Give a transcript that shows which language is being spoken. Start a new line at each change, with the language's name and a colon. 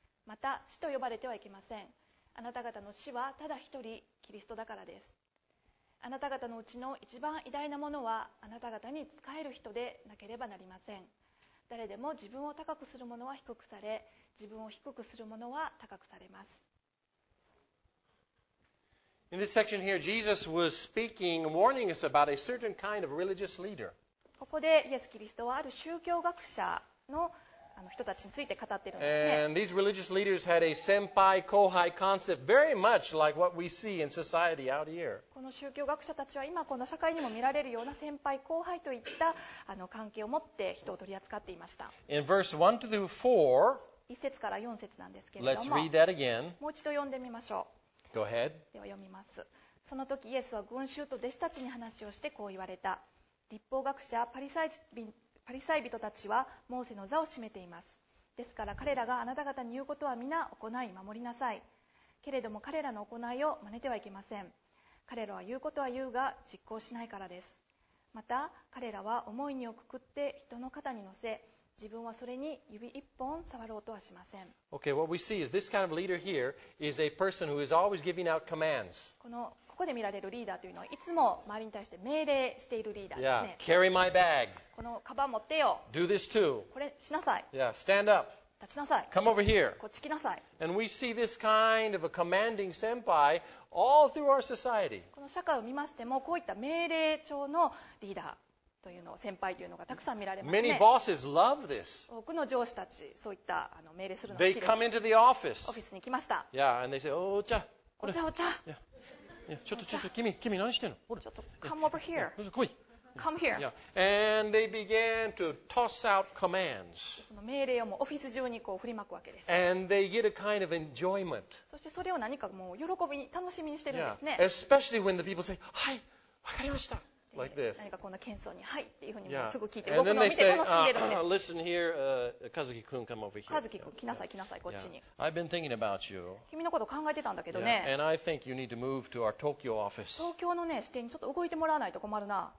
Japanese: また死と呼ばれてはいけません。あなた方の死はただ一人、キリストだからです。あなた方のうちの一番偉大なものはあなた方に仕える人でなければなりません。誰でも自分を高くするものは低くされ、自分を低くするものは高くされます。
English: In this section here, Jesus was speaking, warning us about a certain kind of religious leader.
Japanese: ここでイエス・キリストはある宗教学者の人たちについて語っているんですね。
English: And these religious leaders had a senpai kohai concept very much like what we see in society out here.
Japanese: この宗教学者たちは今この社会にも見られるような先輩後輩といった関係を持って人を取り扱っていました。
English: In verse 1 through 4,
Japanese: 1節から4節なんですけれども、
English: Let's read that again.
Japanese: もう一度読んでみましょう。
English: Go ahead.
Japanese: では読みます。その時イエスは群衆と弟子たちに話をしてこう言われた。立法学者パリサイ人たちはモーセの座を占めています。ですから彼らがあなた方に言うことは皆行い守りなさい、けれども彼らの行いを真似てはいけません。彼らは言うことは言うが実行しないからです。また彼らは思い荷をくくって人の肩に乗せ、自分はそれに指一本触ろうとはしません。
English: Okay, what we see is this kind of leader here is a person who is always giving out commands.
Japanese: ここで見られるリーダーというのは、いつも周りに対して命令しているリーダーですね。
English: Yeah, carry my bag.
Japanese: このカバン持ってよ。
English: Do this too.
Japanese: これしなさい。
English: Yeah, stand up.
Japanese: 立ちなさい。
English: Come over here.
Japanese: こっち来なさい。
English: And we see this kind of a commanding senpai all through our society.
Japanese: この社会を見ましても、こういった命令調のリーダー。というの先輩というのがたくさん見られますね。
English: Many bosses love this.
Japanese: 多くの上司たち、そういったあの命令するのが好きです。
English: They come into the office.
Japanese: オフィスに来ました。
English: Yeah, and they say,
Japanese: お茶。お茶お茶。ちょっと、君何してんの？ちょっと、
English: come over here.
Japanese: 来い。
English: Come here. Yeah. And they began to toss out commands.
Japanese: その命令をもうオフィス中にこう振りまくわけです。
English: And they get a kind of enjoyment.
Japanese: そしてそれを何かもう喜びに楽しみにしてるんですね。
English: Yeah. Especially when the people say,
Japanese: はい、わかりました。
English: Like、this.
Japanese: 何かこんな謙遜にはいっていうふうにすぐ聞いて、yeah. 僕のを見て楽しんでるんです。
English: Listen here, come over here.
Japanese: 和樹君来なさい来なさいこっちに、
English: yeah. I've been thinking about you.
Japanese: 君のこと考えてたんだけどね、
English: yeah. And I think you need to move to our Tokyo office.
Japanese: 東京の、ね、支店にちょっと動いてもらわないと困るな。